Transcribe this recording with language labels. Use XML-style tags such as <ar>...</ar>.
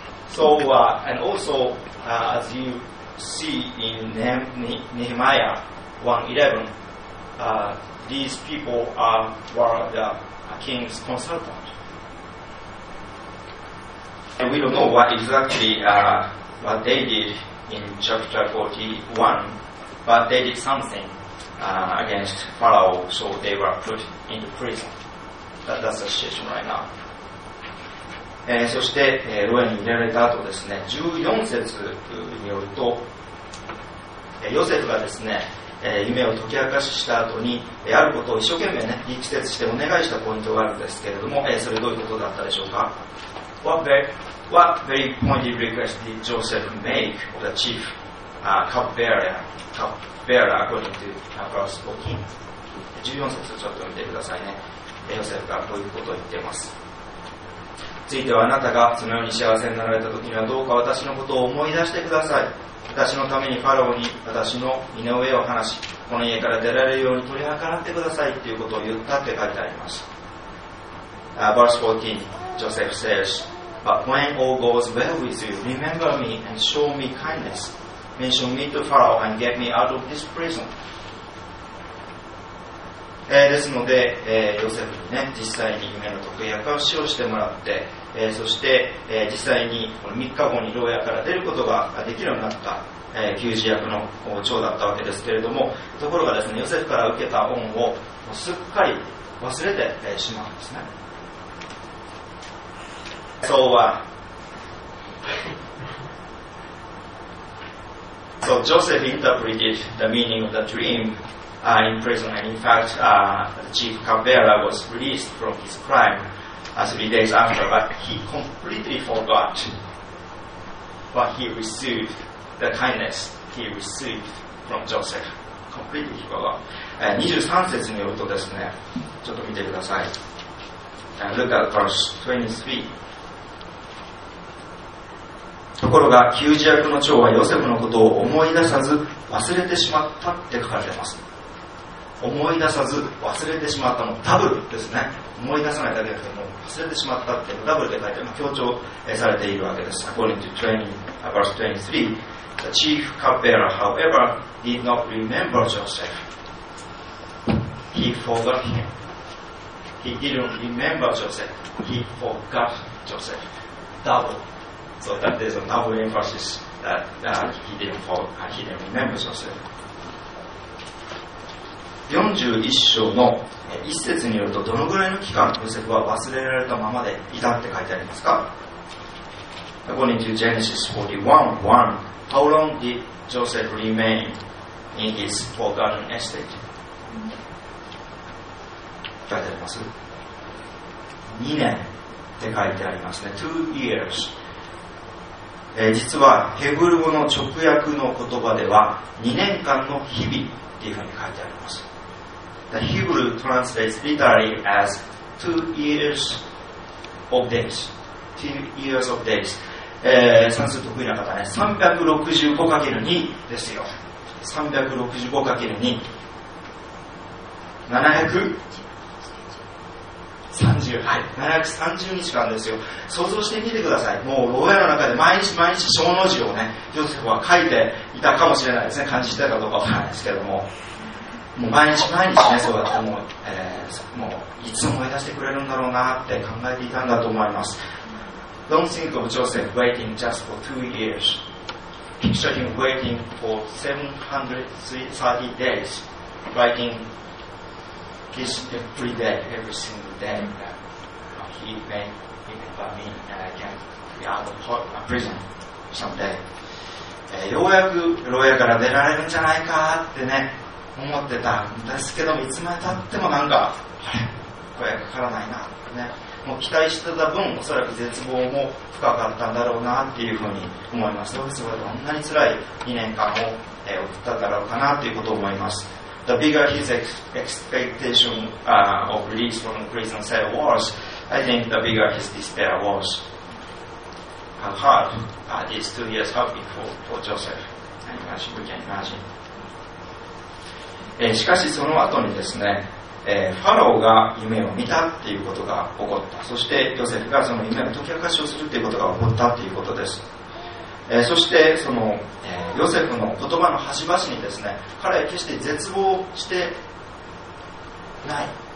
<en>So, and also, as you see in Nehemiah 1:11, these people were the king's consultant. And we don't know what exactly what they did in chapter 41, but they did something against Pharaoh, so they were put into prison. That's the situation right now.</en> <ja>そして、牢屋に入れられた後ですね、14節によると、ヨセフがですね、夢を解き明かしした後に、あることを一生懸命ね、力説してお願いしたポイントがあるんですけれども、それどういうことだったでしょうか。</ja> <en>What very pointed request did Joseph make of the chief cupbearer according to verse 14?</en> <ja>14節ちょっと見てくださいね。ヨセフがこういうことを言っています。ついてはあなたがそのように幸せになられた時にはどうか私のことを思い出してください。私のためにファラオに私の身の上を話し、この家から出られるように取り計らってくださいということを言ったって書いてあります。</ja> <en>Verse 14, Joseph says, But when all goes well with you, remember me and show me kindness. Mention me to Pharaoh and get me out of this prison.</en> <ja>ですので、ヨセフにね、実際に夢の特約をしようしてもらって、そして、実際にこの3日後に牢屋から出ることができるようになった、求事役の長だったわけですけれども、ところがですね、ヨセフから受けた恩をすっかり忘れて、しまうんですね。</ja> <en>So, so Joseph interpreted the meaning of the dream. In prison, and in fact, the chief cupbearer was released from his crime 3 days after, but he completely forgot what he received, the kindness he received from Joseph. Completely forgot.</en> <ja>23節によるとですね、ちょっと見てください。</ja> <en>Look at verse 23.</en> <ja>ところが、給仕役の長はヨセフのことを思い出さず忘れてしまったって書かれています。思い出さず忘れてしまったのダブルですね。思い出さないだけでも忘れてしまったっていうダブルで書いて強調されているわけです。</ja> <en>According to 20, verse 23, the chief cupbearer, however, did not remember Joseph. He forgot him. He didn't remember Joseph. He forgot Joseph. Double. So that is a double emphasis that he didn't forget, he didn't remember Joseph.</en> <ja>41章の一節によると、どのぐらいの期間、ヨセフは忘れられたままでいたって書いてありますか ?</ja> <en>According to Genesis 41:1, how long did Joseph remain in his forgotten estate?</en> <ja>書いてあります ?2 年って書いてありますね。</ja> <en>2 years。</en> <ja>実は、ヘブル語の直訳の言葉では、2年間の日々っていうふうに書いてあります。</ja> <en>The Hebrew translates literally as 2 years of days. 2 years of days.</en> <ja>算数得意な方ね、365×2 ですよ。 365×2、730日間ですよ。想像してみてください。もう牢屋の中で毎日毎日小の字をね、ヨセフは書いていたかもしれないですね。感じてたかどうかわからないですけども。もう毎日毎日ね、そうやってもういつ思い出してくれるんだろうなって考えていたんだと思います。</ja> <en>Don't think of Joseph waiting just for 2 years. Picture him waiting for 730 days, writing this every day, every single day. He may remember me and I can be out of prison someday.</en> <ja>ようやく牢屋から出られるんじゃないかってね。思ってたんですけども、いつまでたってもなんか、声かからないなってね、もう期待してた分、おそらく絶望も深かったんだろうなっていうふうに思います。どうせどんなに辛い2年間を送っただろうかなということを思います。</ja> <en>The bigger his expectation of release from prison cell was, I think the bigger his despair was. How hard these 2 years have been for Joseph. I imagine, we can imagine.</en> <ja>しかしその後にですね、ファローが夢を見たっていうことが起こった。そしてヨセフがその夢の解き明かしをするっていうことが起こったっていうことです。そしてその、ヨセフの言葉の端々にですね、彼は決して絶望してない。</ja>